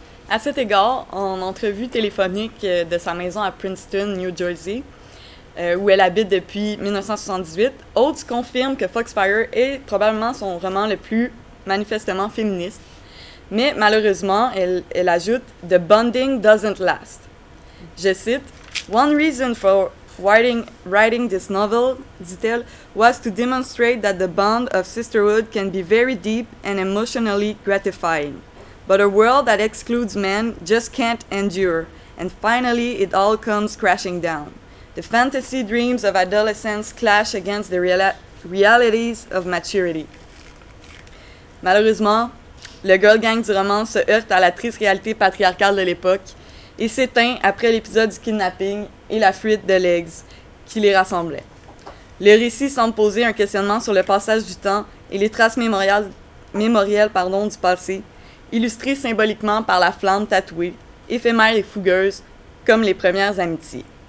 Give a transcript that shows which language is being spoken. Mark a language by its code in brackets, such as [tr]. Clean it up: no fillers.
[fr] À cet égard, en entrevue téléphonique de sa maison à Princeton, New Jersey, où elle habite depuis 1978, Oates confirme que Foxfire est probablement son roman le plus manifestement féministe. Mais malheureusement, elle ajoute « [en] The bonding doesn't last ». [fr] Je cite [en] « One reason for writing this novel, [fr] dit-elle, [en] was to demonstrate that the bond of sisterhood can be very deep and emotionally gratifying. But a world that excludes men just can't endure, and finally it all comes crashing down. » The fantasy dreams of adolescence clash against the realities of maturity. [fr] Malheureusement, le girl gang du roman se heurte à la triste réalité patriarcale de l'époque et s'éteint après l'épisode du kidnapping et la fuite de Legs qui les rassemblait. Le récit semble poser un questionnement sur le passage du temps et les traces mémorielles du passé, illustrées symboliquement par la flamme tatouée, éphémère et fougueuse, comme les premières amitiés.